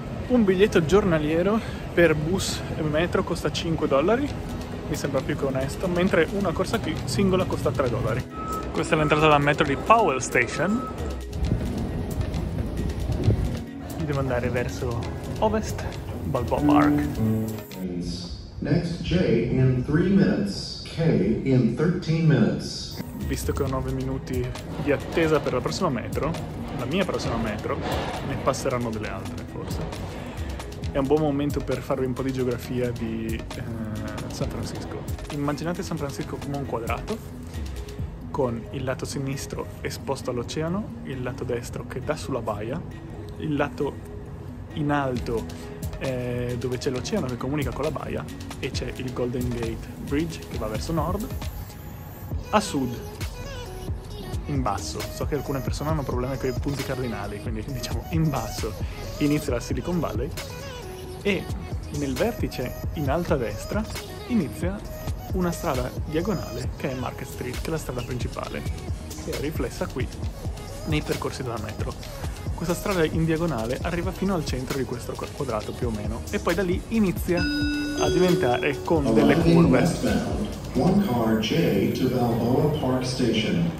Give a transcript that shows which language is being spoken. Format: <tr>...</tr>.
<it>Un biglietto giornaliero per bus e metro costa $5, mi sembra più che onesto, mentre una corsa qui singola costa $3. Questa è l'entrata della metro di Powell Station. Devo andare verso ovest, Balboa Park.</it> <en>Next J in 3 minutes, K in 13 minutes.</en> <it>Visto che ho 9 minuti di attesa per la prossima metro, la mia prossima metro, ne passeranno delle altre forse. È un buon momento per farvi un po' di geografia di San Francisco. Immaginate San Francisco come un quadrato, con il lato sinistro esposto all'oceano, il lato destro che dà sulla baia, il lato in alto dove c'è l'oceano che comunica con la baia e c'è il Golden Gate Bridge che va verso nord. A sud, in basso, so che alcune persone hanno problemi con i punti cardinali, quindi diciamo in basso, inizia la Silicon Valley e nel vertice, in alto a destra, inizia una strada diagonale che è Market Street, che è la strada principale, che è riflessa qui nei percorsi della metro. Questa strada in diagonale arriva fino al centro di questo quadrato più o meno e poi da lì inizia a diventare con delle curve.</it> <en>One car J to Balboa Park Station.</en>